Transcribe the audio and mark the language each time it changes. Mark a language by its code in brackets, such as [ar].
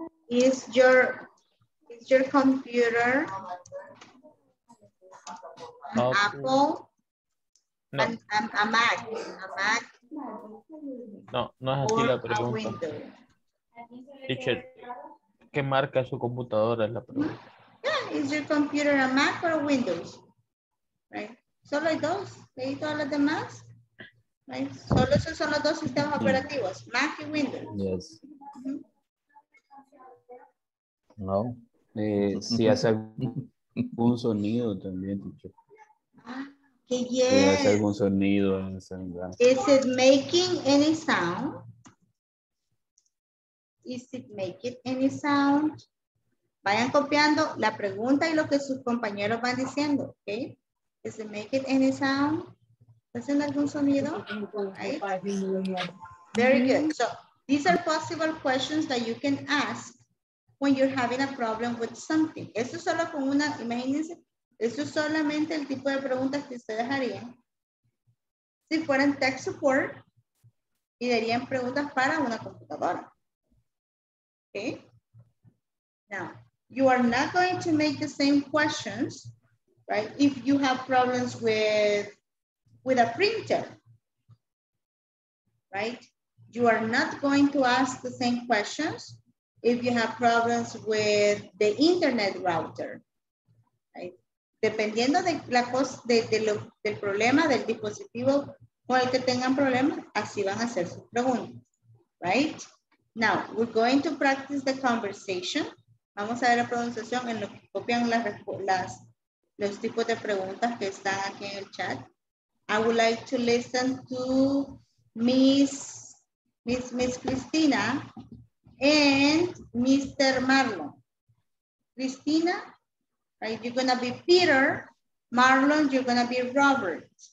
[en] Is your computer an Apple? No, a Mac. [es] No es así la pregunta. Richard, ¿qué marca su computadora es la pregunta? [en] Yeah, is your computer a Mac or a Windows? [es] Right. Solo hay dos. ¿Y todas las demás? Right. Solo esos son los dos sistemas operativos, Mac y Windows. [en] Yes. [es] No, si hace algún sonido también, dicho. Qué bien. Si hace algún sonido en ese lugar. [en] Is it making any sound? Is it making any sound? [es] Vayan copiando la pregunta y lo que sus compañeros van diciendo, ¿ok? [en] Is it making any sound? [es] ¿Está haciendo algún sonido? [en] Right. Very good. So, these are possible questions that you can ask when you're having a problem with something. [es] Eso solo con una, imagínense, eso es solamente el tipo de preguntas que ustedes harían. Si fueran tech support, y darían preguntas para una computadora. Okay. [en] Now, you are not going to make the same questions, right? If you have problems with a printer, right? You are not going to ask the same questions if you have problems with the internet router, right? [es] Dependiendo de la cosa, del problema, del dispositivo con el que tengan problemas, así van a hacer sus preguntas, right? [en] Now, we're going to practice the conversation. [es] Vamos a ver la pronunciación en lo que copian los tipos de preguntas que están aquí en el chat. [en] I would like to listen to Miss Cristina and Mr. Marlon. Cristina, right, you're going to be Peter. Marlon, you're going to be Robert.